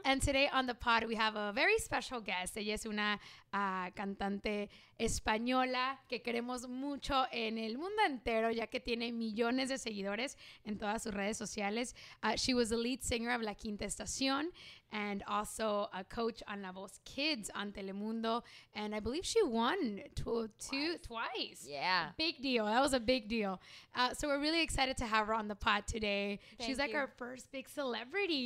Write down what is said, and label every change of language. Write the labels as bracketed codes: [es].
[en] And today on the pod, we have a very special guest. [es] Ella es una cantante española que queremos mucho en el mundo entero, ya que tiene millones de seguidores en todas sus redes sociales. [en] She was the lead singer of La Quinta Estación and also a coach on La Voz Kids on Telemundo. And I believe she won twice. Yeah. Big deal. That was a big deal. So we're really excited to have her on the pod today. Thank you. She's like our first big celebrity.